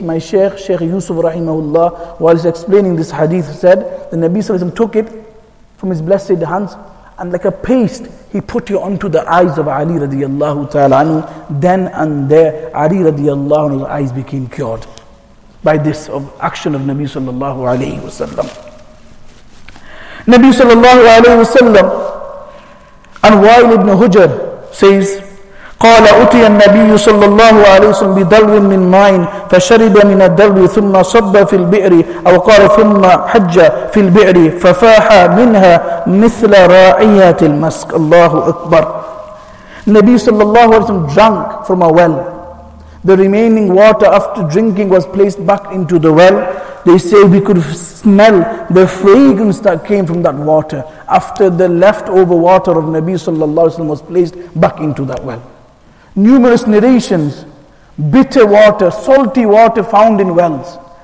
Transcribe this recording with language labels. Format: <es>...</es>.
<en>My Shaykh, Shaykh Yusuf rahimahullah, while he's explaining this hadith, said the Nabi sallallahu alayhi wa sallam took it from his blessed hands, and like a paste, he put it onto the eyes of Ali radiallahu ta'ala anhu. Then and there, Ali radiallahu anhu's eyes became cured by this action of Nabi sallallahu alayhi wa sallam. Nabi sallallahu alayhi wa sallam, and while Ibn Hujr says,</en> <ar>قال أتي النبي صلى الله عليه وسلم بدلو من ماء فشرب من الدلو ثم صب في البئر أو قال ثم حج في البئر ففاح منها مثل راعيات المسك. الله أكبر. النبي صلى الله عليه وسلم</ar> <en>drank from a well. The remaining water after drinking was placed back into the well. They say we could smell the fragrance that came from that water after the leftover water of Nabi</en> <ar>صلى الله عليه وسلم</ar> <en>was placed back into that well. Numerous narrations, bitter water, salty water found in wells.</en>